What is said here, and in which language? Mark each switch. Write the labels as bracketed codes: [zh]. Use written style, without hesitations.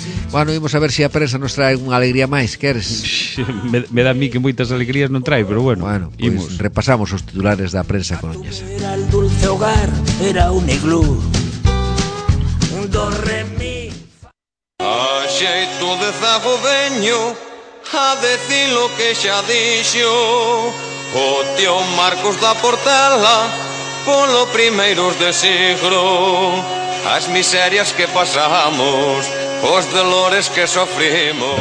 [gl] Bueno, imos a ver se a prensa nos trae unha alegría máis, queres? Me da a mí que moitas alegrías non trae, pero bueno. Bueno, pois imos. Repasamos os titulares da prensa coruñesa. [es] Era el dulce hogar, era un iglú. Do re mi. [gl] A xeito de zago veño a decir o que xa dixo o tío Marcos da Portela polo primeiro de siglo. As miserias que pasamos, os dolores que sofrimos.